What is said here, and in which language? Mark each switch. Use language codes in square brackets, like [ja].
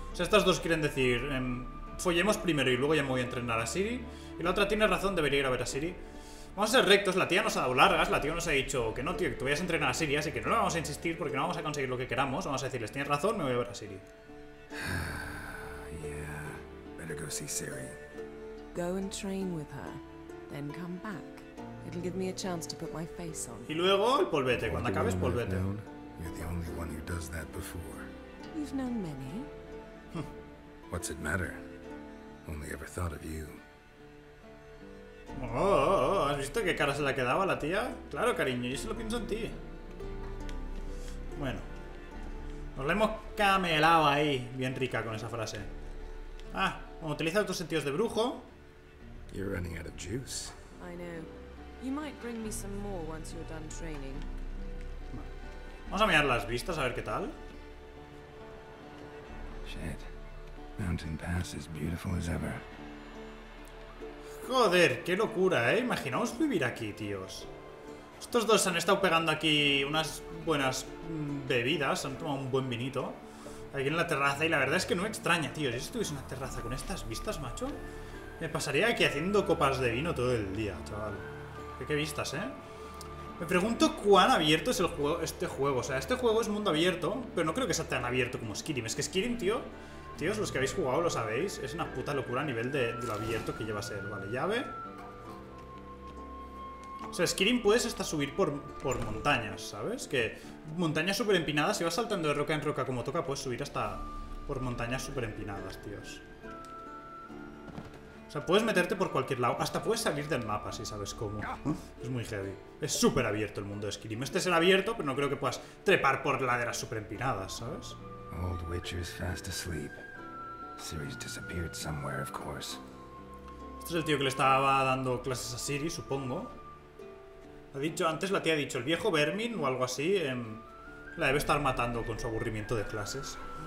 [es] O sea, estas dos quieren decir, follemos primero y luego ya me voy a entrenar a Siri. Y la otra tiene razón, debería ir a ver a Siri. Vamos a ser rectos, la tía nos ha dado largas, la tía nos ha dicho que no, tío, que te vayas a entrenar a Siri, así que no le vamos a insistir porque no vamos a conseguir lo que queramos. Vamos a decirles, tienes razón, me voy a ver a Siri. [en] Better go see Siri. Go and train with her, then come back. It'll give me a chance to put my face on. [es] Y luego el polvete, cuando acabes, polvete. [en] You're the only one who does that before. You've known many. What's it matter? Only ever thought of you. [es] Oh, ¿has visto qué cara se le ha quedado a la tía? Claro, cariño, yo solo pienso en ti. Bueno, nos la hemos camelado ahí, bien rica con esa frase. Ah, bueno, utiliza otros sentidos de brujo. [en] You're running out of juice. I know. You might bring me some more once you're done training. [es] Vamos a mirar las vistas a ver qué tal. [en] Shit. Mountain pass is beautiful as ever. [es] Joder, qué locura, ¿eh? Imaginaos vivir aquí, tíos. Estos dos se han estado pegando aquí unas buenas bebidas, han tomado un buen vinito aquí en la terraza, y la verdad es que no me extraña, tío. Si estuviese en una terraza con estas vistas, macho, me pasaría aquí haciendo copas de vino todo el día, chaval. Qué vistas, ¿eh? Me pregunto cuán abierto es este juego. O sea, este juego es mundo abierto, pero no creo que sea tan abierto como Skyrim. Es que Skyrim, tío... Tíos, los que habéis jugado lo sabéis. Es una puta locura a nivel de lo abierto que lleva a ser. Vale, llave. O sea, Skyrim puedes hasta subir por montañas, ¿sabes? Que montañas súper empinadas. Si vas saltando de roca en roca como toca, puedes subir hasta por montañas súper empinadas, tíos. O sea, puedes meterte por cualquier lado. Hasta puedes salir del mapa, si sabes cómo. Es muy heavy. Es súper abierto el mundo de Skyrim. Este será abierto, pero no creo que puedas trepar por laderas súper empinadas, ¿sabes? [en] Old Witcher's fast asleep. Siri's disappeared somewhere, of course. [es] Este es el tío que le estaba dando clases a Siri, supongo. Ha dicho antes, la tía ha dicho, el viejo Vermin o algo así, la debe estar matando con su aburrimiento de clases.